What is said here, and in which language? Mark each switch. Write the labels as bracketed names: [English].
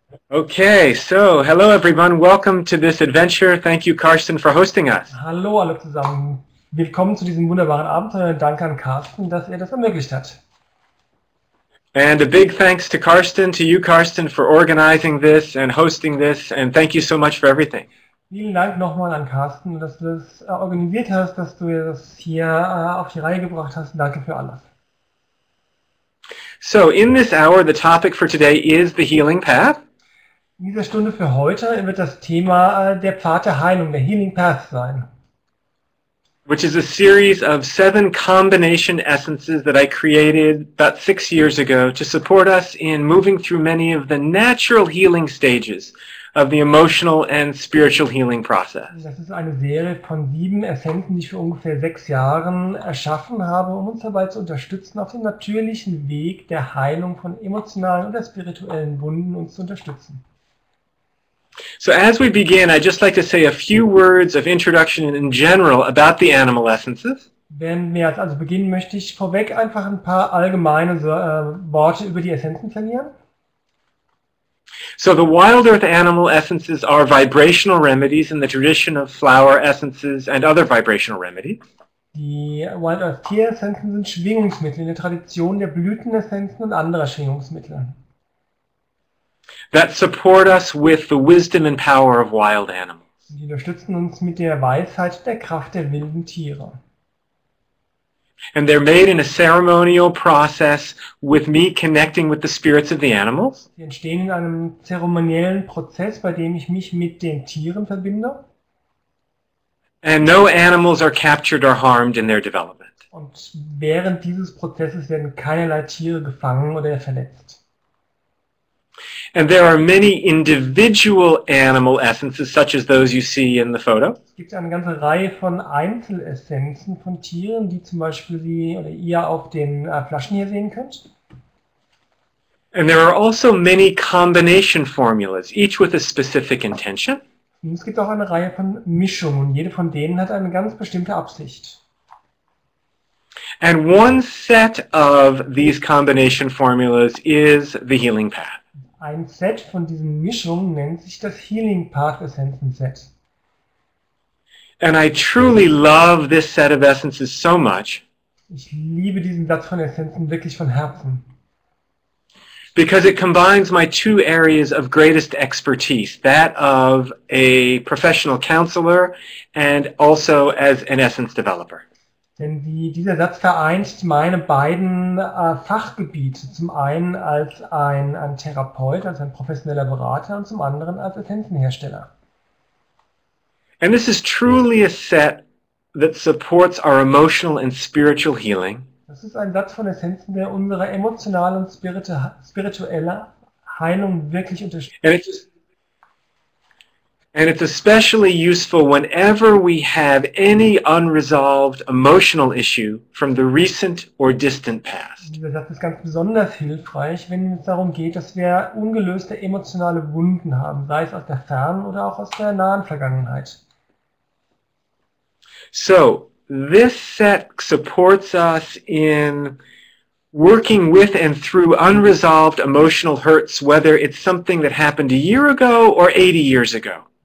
[English] Okay, so hello, everyone. Welcome to this adventure. Thank you, Carsten, for hosting us. [German] Hallo, alle zusammen. Willkommen zu diesem wunderbaren Abenteuer. Danke an Carsten, dass das ermöglicht hat. [English] And a big thanks to Carsten, to you, Carsten, for organizing this and hosting this. And thank you so much for everything. [German] Vielen Dank nochmal an Carsten, dass du das organisiert hast, dass du das hier auf die Reihe gebracht hast. Danke für alles. [English] So, in this hour, the topic for today is the healing path. [German] In dieser Stunde für heute wird das Thema der Pfad der Heilung, der Healing Path sein. [English] Which is a series of 7 combination essences that I created about 6 years ago to support us in moving through many of the natural healing stages of the emotional and spiritual healing process. [German] Das ist eine Serie von 7 Essenzen, die ich für ungefähr 6 Jahren erschaffen habe, um uns dabei zu unterstützen, auf dem natürlichen Weg der Heilung von emotionalen oder spirituellen Wunden uns zu unterstützen. [English] So as we begin, I'd just like to say a few words of introduction in general about the animal essences. [German] Wenn wir jetzt also beginnen, möchte ich vorweg einfach ein paar allgemeine Worte über die Essenzen verlieren. [English] So the wild earth animal essences are vibrational remedies in the tradition of flower essences and other vibrational remedies. [German] Die wild earth Tieressenzen sind Schwingungsmittel in der Tradition der Blütenessenzen und anderer Schwingungsmittel. [English] That support us with the wisdom and power of wild animals. [German] Die unterstützen uns mit der Weisheit der Kraft der wilden Tiere. [English] And they're made in a ceremonial process with me connecting with the spirits of the animals. [German] Sie entstehen in einem zeremoniellen Prozess, bei dem ich mich mit den Tieren verbinde. [English] And no animals are captured or harmed in their development. [German] Und während dieses Prozesses werden keinerlei Tiere gefangen oder verletzt. [English] And there are many individual animal essences, such as those you see in the photo. [German] Es gibt eine ganze Reihe von Einzelessenzen von Tieren, die zum Beispiel Sie oder ihr auf den Flaschen hier sehen könnt. [English] And there are also many combination formulas, each with a specific intention. [German] Und es gibt auch eine Reihe von Mischungen und jede von denen hat eine ganz bestimmte Absicht. [English] And one set of these combination formulas is the Healing Path. [German] Ein Set von diesen Mischungen nennt sich das Healing Path Essenzen Set. [English] And I truly love this set of essences so much. [German] Ich liebe diesen Satz von Essenzen wirklich von Herzen. [English] Because it combines my two areas of greatest expertise, that of a professional counselor and also as an essence developer. [German] Denn dieser Satz vereint meine beiden Fachgebiete, zum einen als ein Therapeut, als ein professioneller Berater und zum anderen als Essenzenhersteller. [English] And this is truly a set that supports our emotional and spiritual healing. [German] Das ist ein Satz von Essenzen, der unsere emotionale und spirituelle Heilung wirklich unterstützt. [English] And it's especially useful whenever we have any unresolved emotional issue from the recent or distant past. [German] Dieser Satz ist ganz besonders hilfreich, wenn es darum geht, dass wir ungelöste emotionale Wunden haben, sei es aus der fernen oder auch aus der nahen Vergangenheit. [English] So, this set supports us in working with and through unresolved emotional hurts, whether it's something that happened a year ago or 80 years ago.